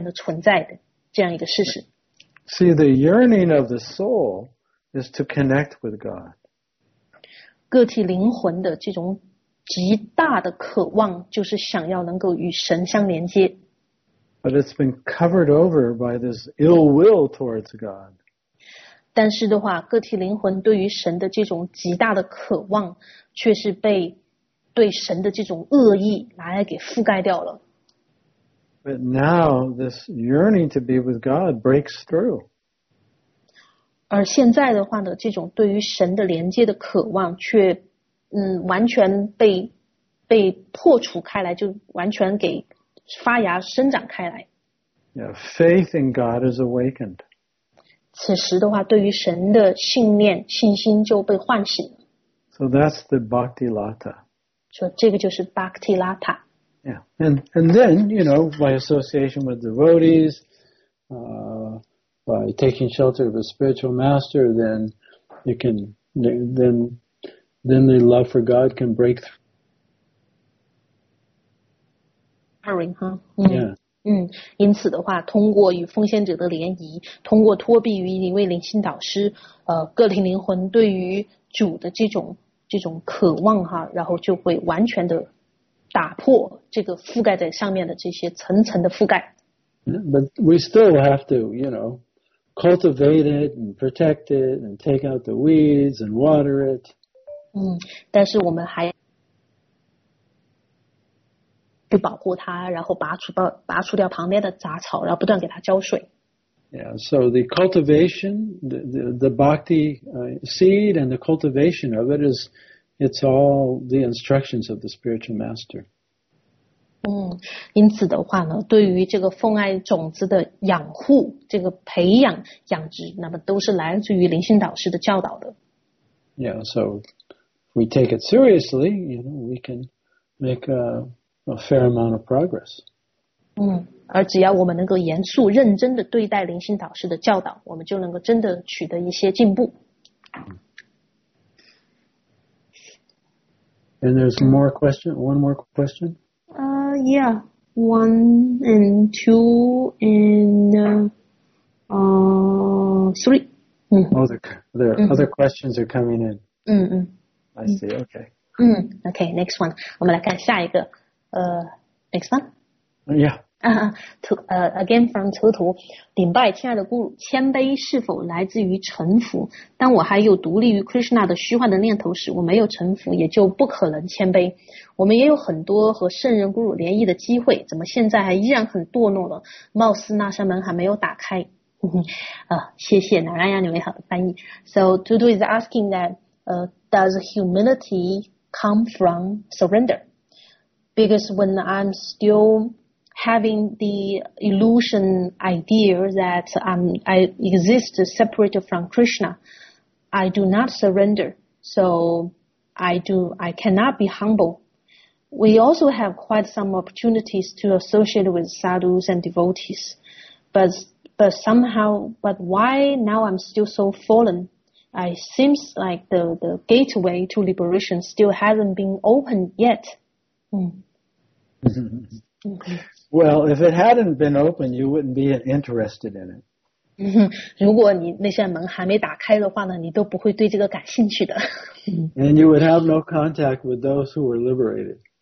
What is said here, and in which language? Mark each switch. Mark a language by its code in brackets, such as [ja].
[en] See, the yearning of the soul is to connect with God. [zh] 个体灵魂的这种极大的渴望就是想要能够与神相连接。 [en] But it's been covered over by this ill will towards God. [zh] 但是的话，个体灵魂对于神的这种极大的渴望却是被对神的这种恶意来给覆盖掉了。 [en] But now this yearning to be with God breaks through. [zh] 而现在的话呢，这种对于神的连接的渴望却完全被破除开来，就完全给发芽生长开来。 [en] Yeah, faith in God is awakened. [zh] 此时的话，对于神的信念信心就被唤醒。 [en] So that's the Bhakti Lata. [zh] 这个就是 Bhakti Lata. [en] Yeah. And then, you know, by association with devotees, by taking shelter of a spiritual master, then it can, then the love for God can break through. Hurry, huh? Yeah. [zh] 因此的话，通过与奉献者的联谊，通过托庇于一位灵性导师，个体灵魂对于主的这种渴望哈，然后就会完全的打破这个覆盖在上面的这些层层的覆盖。 [en] But we still have to, you know, cultivate it and protect it and take out the weeds and water it. [zh] 但是我们还去保护它，然后拔除掉旁边的杂草，然后不断给它浇水。 [en] Yeah, so the cultivation, the bhakti seed and the cultivation of it is, it's all the instructions of the spiritual master. [zh] 因此的话呢，对于这个奉爱种子的养护，这个培养养殖，那么都是来自于灵性导师的教导的。 [en] Yeah, so if we take it seriously, you know, we can make a fair amount of progress. [zh] 而只要我们能够严肃认真地对待灵性导师的教导，我们就能够真的取得一些进步。 [en] And there's more question, one more question? Yeah, one and two and three. There are other questions are coming in. I see, okay. Okay, next one. [zh] 我们来看下一个。 [en] Next one? Yeah. Again from [zh] 图图，顶拜亲爱的 Guru， 谦卑是否来自于臣服？当我还有独立于 Krishna 的虚幻的念头时，我没有臣服，也就不可能谦卑。我们也有很多和圣人 Guru 联谊的机会，怎么现在还依然很堕落了？貌似那扇门还没有打开。谢谢Narayana你美好的翻译。 [en] So Tutu is asking that, does humility come from surrender? Because when I'm still having the illusion idea that I exist separate from Krishna, I do not surrender. So I cannot be humble. We also have quite some opportunities to associate with sadhus and devotees. But why now I'm still so fallen? It seems like the gateway to liberation still hasn't been opened yet. Well, if it hadn't been open, you wouldn't be interested in it. [zh] 如果你那扇门还没打开的话呢，你都不会对这个感兴趣的。 [en] And you would have no contact with those who were liberated.